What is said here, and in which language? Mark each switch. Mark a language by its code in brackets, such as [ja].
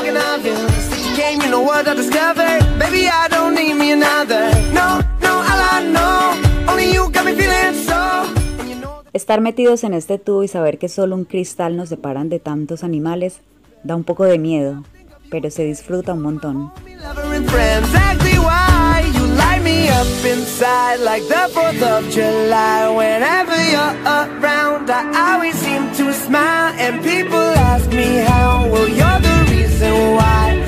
[en] You know what I discovered? Baby, I don't need me another. No, no, all I know. Only you got me feeling so. [es] Estar metidos en este tubo y saber que solo un cristal nos separan de tantos animales da un poco de miedo, pero se disfruta un montón. [en] Exactly why you light me up inside like the 4th of July. Whenever you're around, I always seem to smile. And people ask me how. Well, you're the reason why.